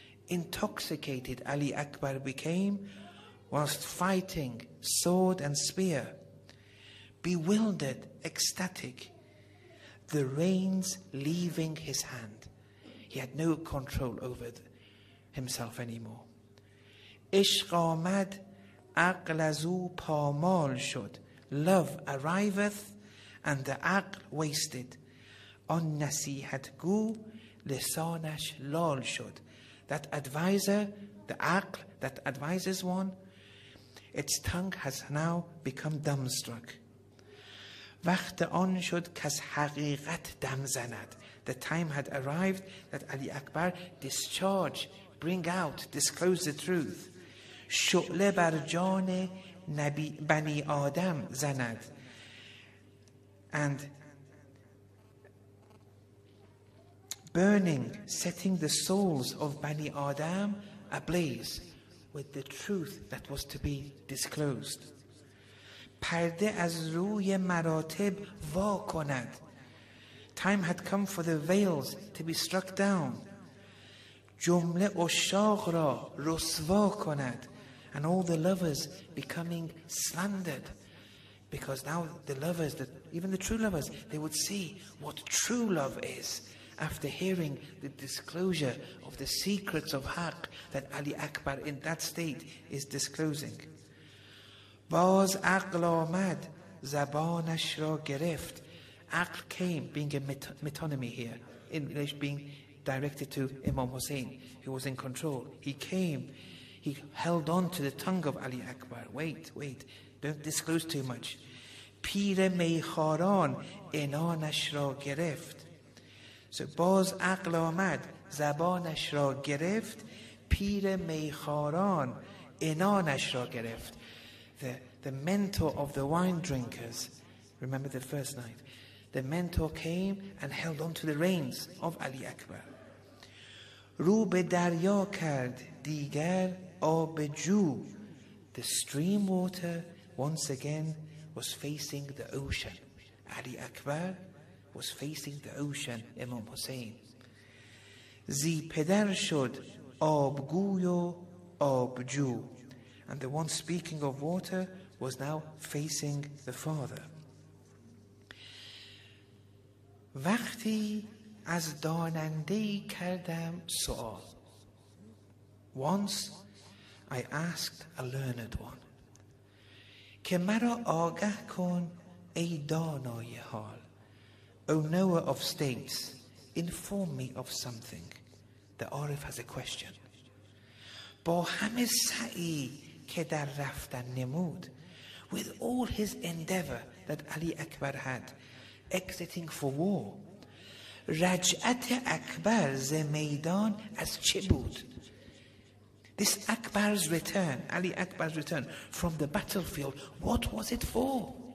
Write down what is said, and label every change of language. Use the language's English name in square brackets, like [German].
[English] Intoxicated Ali Akbar became whilst fighting sword and spear. Bewildered, ecstatic, the reins leaving his hand. He had no control over himself anymore. [Persian] عشق آمد عقل از او پامال شد. [English] Love arriveth and the عقل wasted. [Persian] آن نصیحت گو لسانش لال شد. [English] That advisor, the عقل that advises one, its tongue has now become dumbstruck. [Persian] وقت آن شد که از حقیقت دم زند. [English] The time had arrived that Ali Akbar discharge, bring out, disclose the truth. [Persian] شعله بر جان نبی بنی آدم زند. [English] And burning, setting the souls of Bani Adam ablaze with the truth that was to be disclosed. [Persian] پرده از روی مراتب وا کند. [English] Time had come for the veils to be struck down. [Persian] جمله عشاق را رسوا کند. [English] And all the lovers becoming slandered. Because now the lovers, even the true lovers, they would see what true love is after hearing the disclosure of the secrets of Haq that Ali Akbar in that state is disclosing. [Persian] باز عقل آمد زبانش را گرفت. [English] عقل came, being a metonymy here, in English being directed to Imam Hussein, who was in control. He came, he held on to the tongue of Ali Akbar. Wait, don't disclose too much. [Persian] پیر میخاران عنانش را گرفت. So باز عقل آمد زبانش را گرفت. پیر میخاران عنانش را گرفت. [English] The mentor of the wine drinkers, remember the first night, the mentor came and held on to the reins of Ali Akbar. [Persian] رو به دریا کرد دیگر آب جو. [English] The stream water once again was facing the ocean. Ali Akbar was facing the ocean, Imam Hussein. [Persian] زی پدر شد آبگوی و آبجو. [English] And the one speaking of water was now facing the father. [Persian] وقتی از داننده کردم سؤال. [English] Once I asked a learned one. [Persian] که مرا آگه کن ای دانای حال. [English] O knower of states, inform me of something. The Arif has a question. [Persian] با همه سعی که در رفتن نمود. [English] With all his endeavor that Ali Akbar had, exiting for war. [Persian] رجعت اکبر ز میدان از چه بود؟ [English] This Akbar's return, Ali Akbar's return from the battlefield, what was it for?